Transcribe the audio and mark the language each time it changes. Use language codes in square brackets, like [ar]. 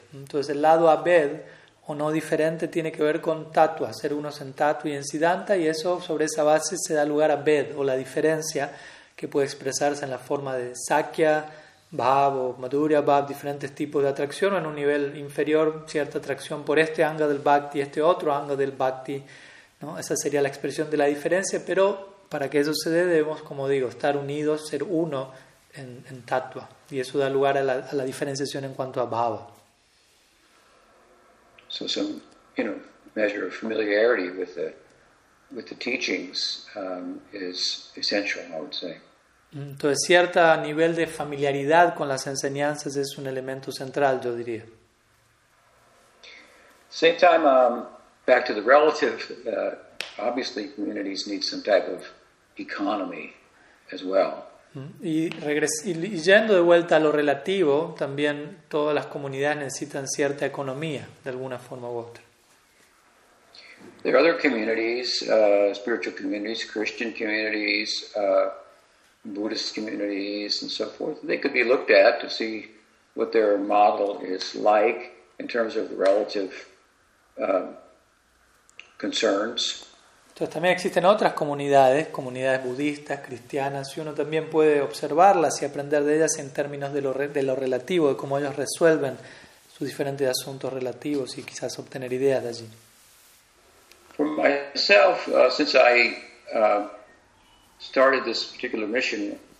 [es] Entonces, el lado Abed o no diferente tiene que ver con tattva, ser unos en tattva y en siddhanta, y eso sobre esa base se da lugar a Ved, o la diferencia, que puede expresarse en la forma de Sakya, Bhav o Madhurya Bhav, diferentes tipos de atracción, o en un nivel inferior, cierta atracción por este anga del Bhakti, este otro anga del Bhakti, ¿no? Esa sería la expresión de la diferencia, pero para que eso se dé debemos, como digo, estar unidos, ser uno en tattva, y eso da lugar a la diferenciación en cuanto a Bhava. [en] So some, you know, measure of familiarity with the teachings is essential, I would say. [es] Entonces, cierto nivel de familiaridad con las enseñanzas es un elemento central, yo diría. [en] Same time, back to the relative, obviously communities need some type of economy as well. [es] Y yendo de vuelta a lo relativo, también todas las comunidades necesitan cierta economía, de alguna forma u otra. [en] There are other communities, spiritual communities, Christian communities, Buddhist communities, and so forth. They could be looked at to see what their model is like in terms of relative concerns. [es] Entonces también existen otras comunidades budistas, cristianas, y uno también puede observarlas y aprender de ellas en términos de lo relativo, de cómo ellos resuelven sus diferentes asuntos relativos y quizás obtener ideas de allí. [en] For myself, since I started this particular mission